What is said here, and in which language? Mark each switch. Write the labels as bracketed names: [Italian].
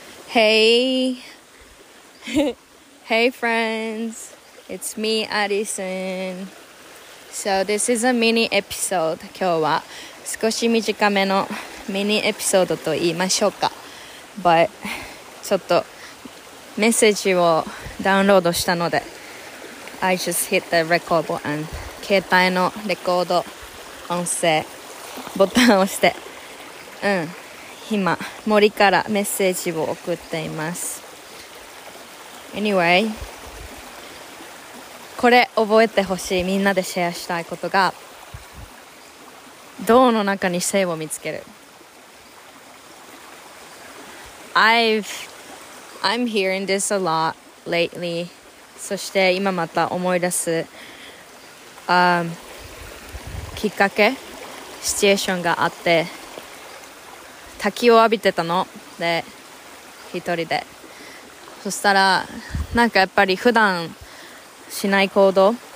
[English] Hey friends, it's me Addison. So this is a mini episode. [Japanese] 今日は少し短めのミニエピソードと言いましょうか。 [English] But [Japanese] ちょっとメッセージをダウンロードしたので、 [English] I just hit the record button. [Japanese] 携帯のレコード音声ボタンを押して、今森からメッセージを送っています。 Anyway、 これ覚えてほしい、みんなでシェアしたいことが、銅の中に性を見つける。 [English] I'm hearing this a lot lately。 [Japanese] そして今また思い出す、きっかけ、シチュエーションがあって、滝を浴びてたので、一人で、そしたらなんかやっぱり普段しない行動、